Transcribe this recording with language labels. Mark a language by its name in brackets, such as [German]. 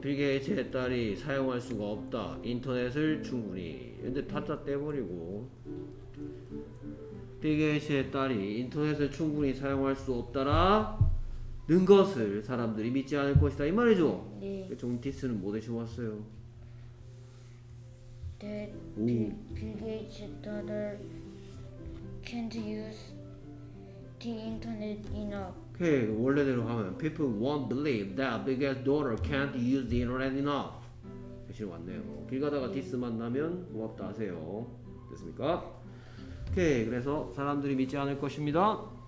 [Korean] 빌게이츠의 딸이 사용할 수가 없다. 인터넷을 충분히. 근데 타짜 떼버리고 빌게이츠의 딸이 인터넷을 충분히 사용할 수 없다라 는 것을 사람들이 믿지 않을 것이다 이 말이죠. 네. 존 티스는 뭐 대신 왔어요? [English] That Bill Gates' daughter can't use the internet enough. [Korean] 오케이 [English] okay, [Korean] 원래대로 하면 [English] People won't believe that Bill Gates' daughter can't use the internet enough. [Korean] 대신 왔네요. 길 가다가 티스 만나면 고맙다 하세요. 됐습니까? 오케이 okay, 그래서 사람들이 믿지 않을 것입니다.